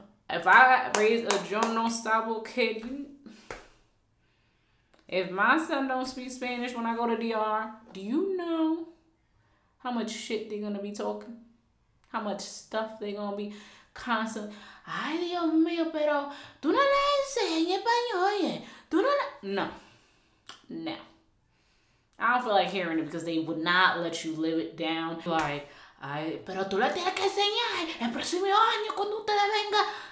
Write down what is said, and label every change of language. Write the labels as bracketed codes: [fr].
[en] If I raise a [es] yo no sabo [en] kid, if my son don't speak Spanish when I go to DR, do you know how much shit they're going to be talking? How much stuff they gonna be constantly? [es] Ay, Dios mío, pero tú no le enseñas español, oye. Tú no le... No. No. [en] I don't feel like hearing it because they would not let you live it down. [es] Like, ay, pero tú le tienes que enseñar el próximo año cuando usted venga.